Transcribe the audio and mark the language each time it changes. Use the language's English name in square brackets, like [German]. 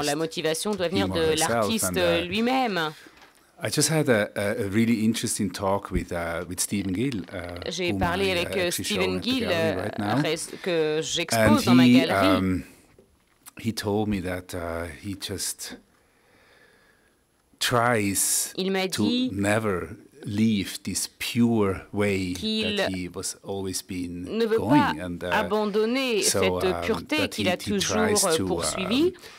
[French] la motivation doit venir de l'artiste lui-même. [English] I just had a really interesting talk with Stephen Gill. [French] J'ai parlé avec Stephen Gill que j'expose dans ma galerie. [English] He told me that he just tries to never leave this pure way that he was always been going. [French] Ne veut pas abandonner cette pureté qu'il a toujours poursuivi.